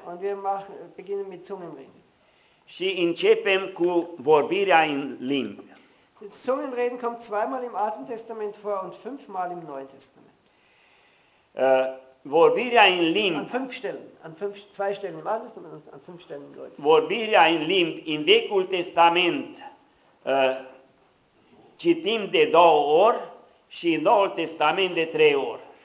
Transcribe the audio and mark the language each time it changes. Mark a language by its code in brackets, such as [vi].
[de] Und wir beginnen mit Zungenreden. [ro] Și începem cu vorbirea în limbi. [de] Zungenreden kommt zweimal im Alten Testament vor und fünfmal im Neuen Testament. [ro] Vorbirea în limbi. [de] Zwei Stellen im Alten Testament und an fünf Stellen im Neuen Testament. [ro] Vorbirea în limbi, în Vechiul Testament, citim de două ori și în Noul Testament de trei ori.